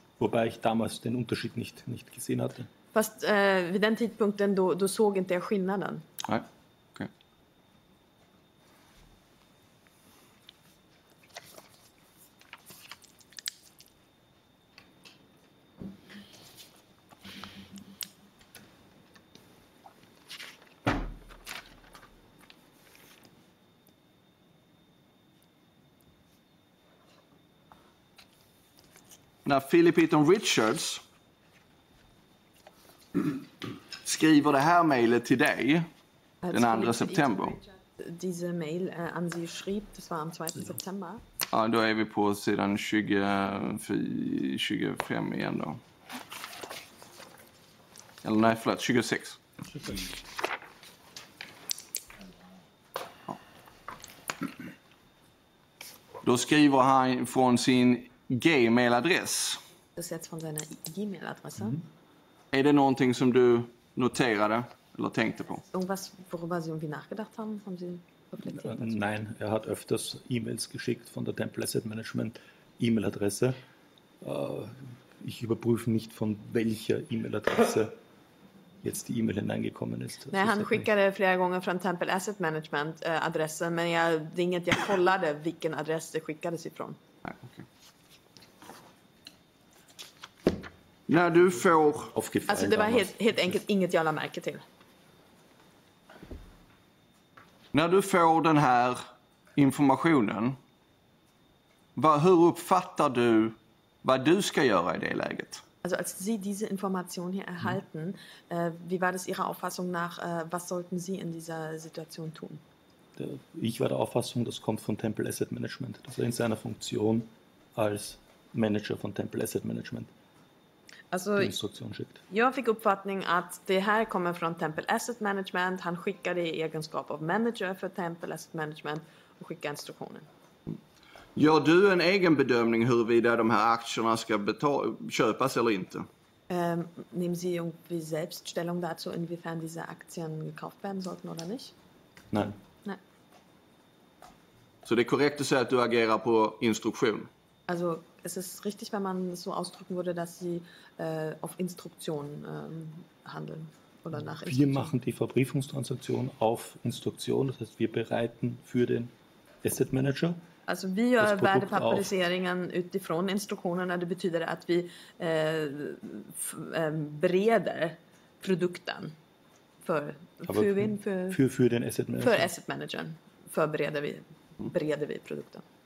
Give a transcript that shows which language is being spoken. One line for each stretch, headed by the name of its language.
German: Wobei ich damals den Unterschied nicht gesehen hatte.
Swedish: Fast vid den tidpunkten du såg inte skillnaden. Nej. När Philip Eaton Richards skriver det här mejlet till dig den 2 september.
German: Diese mail an sie schrieb, das war am 2. September.
Swedish: Ja, då är vi på sidan 25 igen då. Eller nej, förlåt, 26. Ja. Då skriver han från sin Gmail-adress. Det är från sina Gmail-adresser. Mm. Är det någonting som du noterade eller tänkte på?
German: Irgendwas, worüber sie irgendwie nachgedacht haben, haben sie reflektiert? Nein, er hat öfters E-Mails geschickt von der Temple Asset Management E-Mail-Adresse. Ich überprüfe nicht von welcher E-Mail-Adresse jetzt die E-Mail hineingekommen ist.
Swedish: Nej, han skickade flera gånger från Temple Asset Management adressen, men jag inget jag kollade vilken adress det skickades ifrån. Nej, okej. Okay. När du får... Alltså det var helt enkelt inget jag lade märke till. När du får den här informationen, hur uppfattar du vad du ska göra i det läget?
German: Alltså als Sie diese Information hier erhalten, wie war das Ihrer Auffassung nach, was sollten Sie in dieser Situation tun? Ich war der Auffassung, das kommt von Temple Asset Management. Das war in seiner Funktion als Manager von Temple Asset Management.
Swedish: Alltså, jag fick uppfattning att det här kommer från Temple Asset Management. Han skickade i egenskap av manager för Temple Asset Management och skickade instruktionen. Gör du en egen bedömning huruvida de här aktierna ska köpas eller inte?
German: Nehmen Sie irgendwie selbst Stellung dazu, inwiefern diese Aktien gekauft werden sollten oder nicht? Nein. Nein.
Swedish: Så det är korrekt att säga att du agerar på instruktion?
German: Also, es ist richtig, wenn man so ausdrücken würde, dass sie auf Instruktion handeln oder nach Instruktion. Wir machen die Verbriefungstransaktion auf Instruktion, das heißt, wir bereiten für den Asset Manager.
Swedish: Alltså vi gör värdepapperiseringen utifrån instruktionerna. Det betyder att vi bereder produkten för den asset manager. För asset managern förbereder vi produkten.